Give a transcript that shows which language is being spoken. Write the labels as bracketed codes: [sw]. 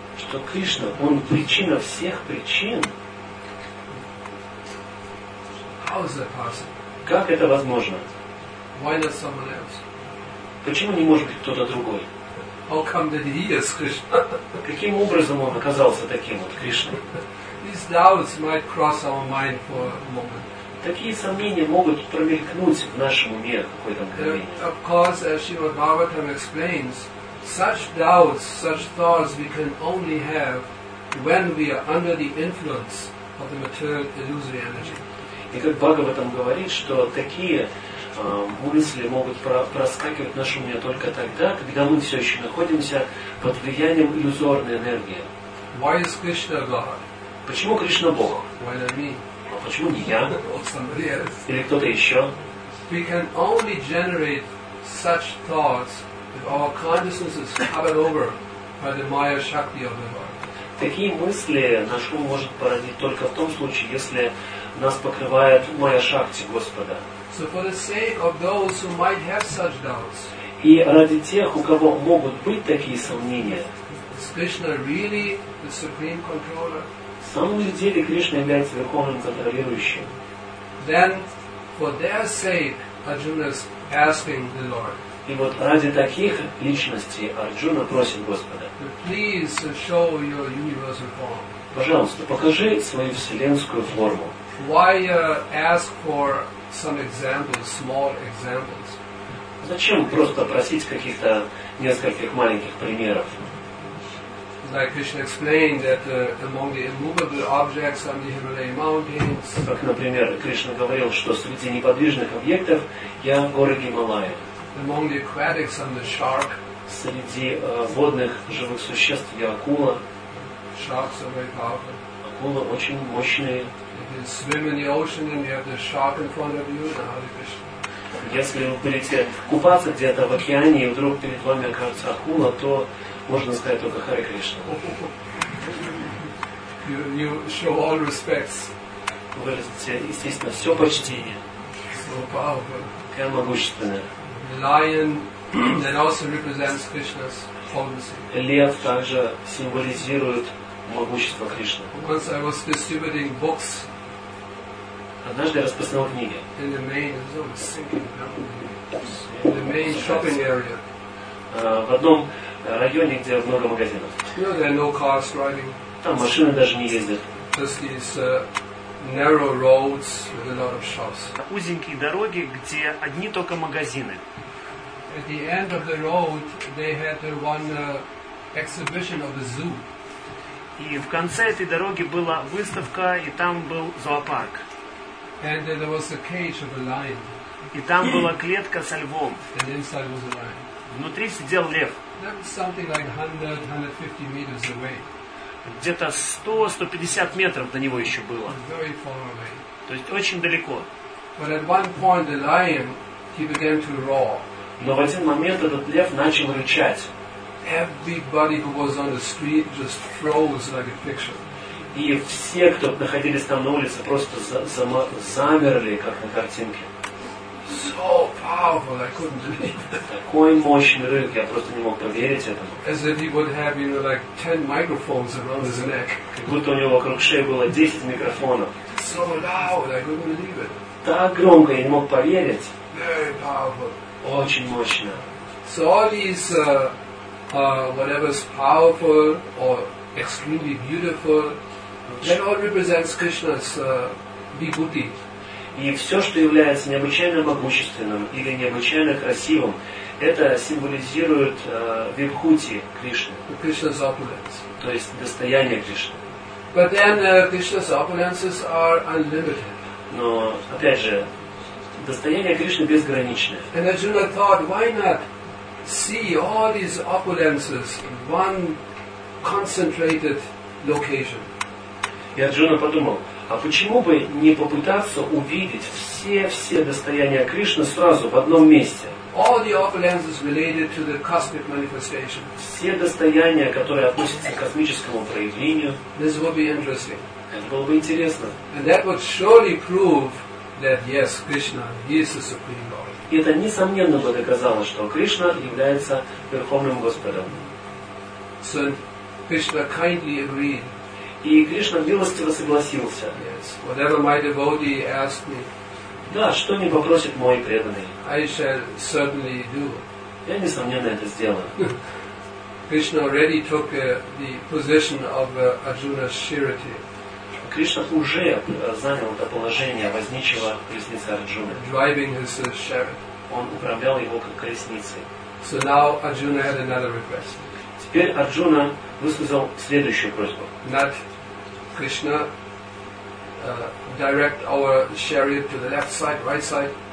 [ru] Что Кришна, Он причина всех причин. [en] How is that possible? [ru] Как это возможно? [en] Why not someone else? [ru] Почему не может быть кто-то другой? [en] How come that he is Krishna? [ru] Каким образом он оказался таким вот, Кришна? [en] These doubts might cross our mind for a moment. [ru] Такие сомнения могут промелькнуть в нашем уме какое-то мгновение. [en] Of course, as Srimad Bhagavatam explains, such doubts, such thoughts we can only have when we are under the influence of the material illusory energy. [ru] И как Бхагаватам говорит, что такие мысли могут проскакивать в нашем уме только тогда, когда мы все еще находимся под влиянием иллюзорной энергии. [en] Why is Krishna God? [ru] Почему Кришна Бог? [en] Why not me? [ru] А почему не я? [en] Or somebody else? [ru] Или кто-то еще? [en] We can only generate such thoughts if our consciousness is covered over by the Maya Shakti of the Lord. [ru] Такие мысли наш ум может породить только в том случае, если нас покрывает Майя Шакти Господа. [en] So for the sake of those who might have such doubts, [ru] и ради тех, у кого могут быть такие сомнения, [en] is Krishna really the supreme controller? [ru] В самом деле Кришна является верховным контролирующим. [en] Then for their sake, Arjuna is asking the Lord. [ru] И вот ради таких личностей Арджуна просит Господа. [en] Please show your universal form. [ru] Пожалуйста, покажи свою вселенскую форму. [en] Why ask for some examples, small examples? [ru] Зачем просто просить каких-то нескольких маленьких примеров? [en] Like Krishna explained that among the immovable objects on the Himalayan mountains. [ru] Как, например, Кришна говорил, что среди неподвижных объектов я горы Гималая. [en] Among the aquatics, I'm the shark. [ru] Среди водных живых существ я акула. [en] Sharks are very powerful. [ru] Акулы очень мощные. [en] Swim in the ocean and you have the shark in front of you, the Hare Krishna. [ru] Если вы будете купаться где-то в океане и вдруг перед вами окажется акула, то можно сказать только Харе Кришна. [en] You show all respects. [ru] Выразите, естественно, все почтение. [en] So powerful. [ru] Какая могущественная. [en] The lion that also represents Krishna's potency. [ru] Лев также символизирует могущество Кришны. [en] Once I was distributing books. [ru] Однажды я распространял книги. [en] In the main, shopping area. [ru] В одном районе, где много магазинов. [en] You know, there are no cars driving. [ru] Там машины даже не ездят. [en] Just these narrow roads with a lot of shops. [ru] Узенькие дороги, где одни только магазины. [en] At the end of the road, they had one exhibition of a zoo. [ru] И в конце этой дороги была выставка, и там был зоопарк. [en] And there was a cage of a lion. [ru] И там была клетка со львом. [en] And inside was a lion. [ru] Внутри сидел лев. [en] That was something like 100-150 meters away. [ru] где-то 100-150 метров до него еще было. То есть очень далеко. Но в один момент этот лев начал рычать. [en] Everybody who was on the street just froze like a picture. [ru] И все, кто находились там на улице, просто замерли, как на картинке. [en] So powerful, I couldn't believe it. [ru] Такой мощный рык, я просто не мог поверить этому. [en] As if he would have, you know, like 10 microphones around his neck. [ru] Как будто у него вокруг шеи было 10 микрофонов. [en] So loud, I couldn't believe it. [ru] Так громко, я не мог поверить. [en] Very powerful. [ru] Очень мощно. [en] So all these whatever is powerful or extremely beautiful, that all represents Krishna's vibhuti. [ru] И все, что является необычайно могущественным или необычайно красивым, это символизирует вибхути Кришны. [en] Krishna's opulence. [ru] То есть достояние Кришны. [en] But then Krishna's opulences are unlimited. [ru] Но опять же, достояние Кришны безграничное. [en] And Arjuna thought, why not see all these opulences in one concentrated location? [ru] И Арджуна подумал, а почему бы не попытаться увидеть все-все достояния Кришны сразу в одном месте? [en] All the opulences related to the cosmic manifestation. [ru] Все достояния, которые относятся к космическому проявлению. [en] This would be interesting. [ru] Это было бы интересно. [en] And that would surely prove that yes, Krishna, He is the Supreme Lord. [ru] И это несомненно бы доказало, что Кришна является Верховным Господом. [en] So, Krishna kindly agreed. [ru] И Кришна милостиво согласился. [en] Yes, whatever my devotee asked me. [ru] Да, что не попросит мой преданный. [en] I shall certainly do. [ru] Я несомненно это сделаю. [en] Krishna already took the position of Arjuna's surety. [ru] Кришна уже занял это положение возничего колесницы Арджуны. [en] Driving his chariot. [ru] Он управлял его как колесницей. [en] So now Arjuna had another request. [ru] Теперь Арджуна высказал следующую просьбу. [en] Not Krishna direct our chariot to the left side, right side.